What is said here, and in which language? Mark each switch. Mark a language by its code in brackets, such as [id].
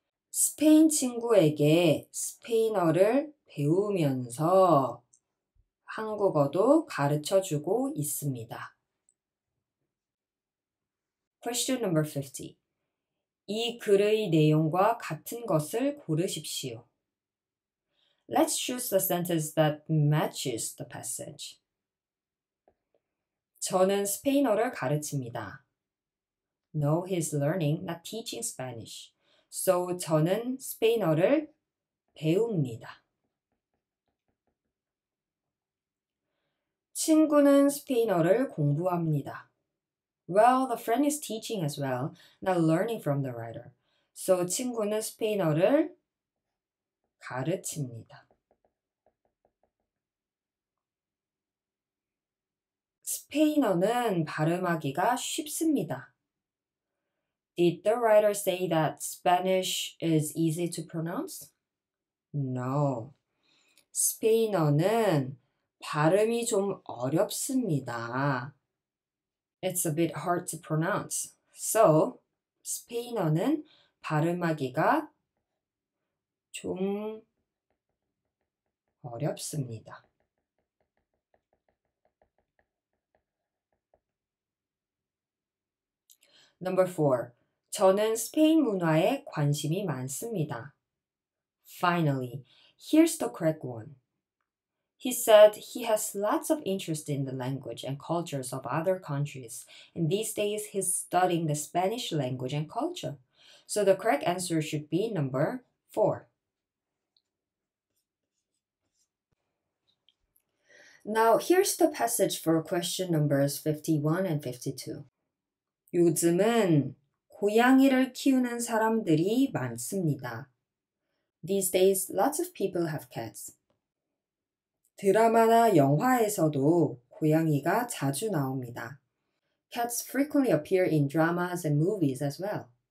[ko] 스페인 친구에게 스페인어를 배우면서 한국어도 가르쳐 주고 있습니다. [en] Question number 50. [ko] 이 글의 내용과 같은 것을 고르십시오. [en] Let's choose the sentence that matches the passage. [ko] 저는 스페인어를 가르칩니다. [en] No, he's learning, not teaching Spanish. [ko] So, 저는 스페인어를 배웁니다. 친구는 스페인어를 공부합니다. [en] Well, the friend is teaching as well, not learning from the writer. [ko] So, 친구는 스페인어를 가르칩니다. 스페인어는 발음하기가 쉽습니다. [en] Did the writer say that Spanish is easy to pronounce? No. [ko] 스페인어는 발음이 좀 어렵습니다. [en] It's a bit hard to pronounce. [ko] So, 스페인어는 발음하기가 좀 어렵습니다. [en] Number 4. [ko] 저는 스페인 문화에 관심이 많습니다. [en] Finally, here's the correct one. He said he has lots of interest in the language and cultures of other countries, and these days he's studying the Spanish language and culture. So the correct answer should be number 4. Now, here's the passage for question numbers 51 and 52. [ko] 요즘은 고양이를 키우는 사람들이 많습니다. [en] These days, lots of people have cats. [ko] 드라마나 영화에서도 고양이가 자주 나옵니다. [en] Cats frequently appear in dramas and movies as well.